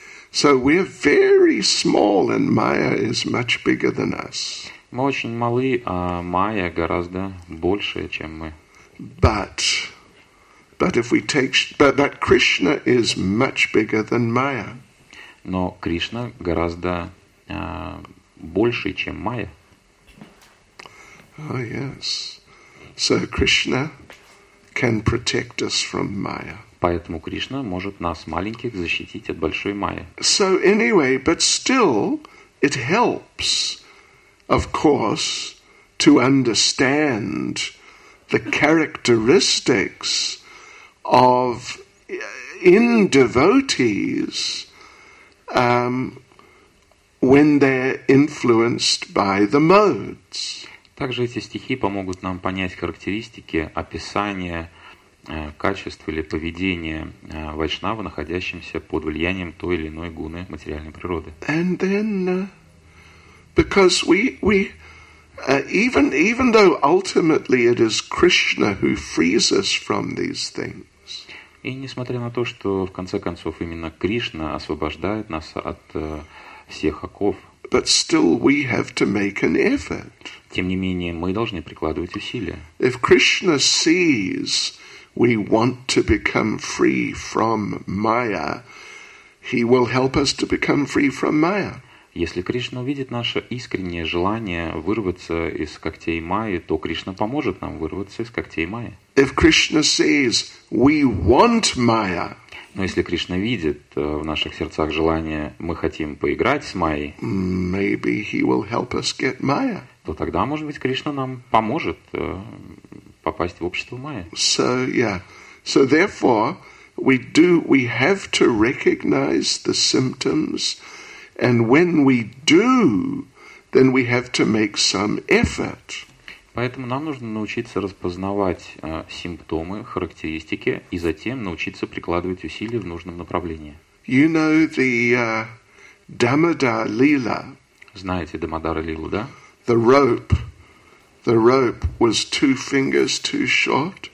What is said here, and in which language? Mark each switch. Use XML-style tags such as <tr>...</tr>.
<en>So we're very small, and Maya is much bigger than us.</en> <ru>Мы очень малы, а Maya гораздо больше, чем мы.</ru> <en>But Krishna is much bigger than Maya.</en> <ru>Но Кришна гораздо больше, чем Майя.</ru> <en>Oh yes. So Krishna can protect us from Maya.</en> <ru>Поэтому Кришна может нас маленьких защитить от большой майи.</ru> <en>So anyway, but still, it helps, of course, to understand the characteristics of in devotees when they're influenced by the modes.</en> <ru>Также эти стихи помогут нам понять характеристики, описание качества или поведения вайшнава, находящимся под влиянием той или иной гуны материальной природы.</ru> <en>And then, because even though ultimately it is Krishna who frees us from these things.</en> <ru>И несмотря на то, что в конце концов именно Кришна освобождает нас от всех оков.</ru> <en>But still we have to make an effort.</en> <ru>Тем не менее, мы должны прикладывать усилия.</ru> <en>If Krishna sees we want to become free from Maya, he will help us to become free from Maya.</en> <ru>Если Кришна увидит наше искреннее желание вырваться из когтей Майи, то Кришна поможет нам вырваться из когтей Майи.</ru> <en>If Krishna sees we want Maya,</en> <ru>но если Кришна видит в наших сердцах желание, мы хотим поиграть с Майей,</ru> <en>maybe he will help us get Maya.</en> <ru>То тогда, может быть, Кришна нам поможет попасть в общество Майя.</ru> <en>So, yeah. So, therefore, we have to recognize the symptoms, and when we do, then we have to make some effort.</en> <ru>Поэтому нам нужно научиться распознавать симптомы, характеристики, и затем научиться прикладывать усилия в нужном направлении.</ru> <en>You know the Damodara Lila.</en> <ru>Знаете Дамодара Лилу, да?</ru> <en>The rope was two fingers too short.</en>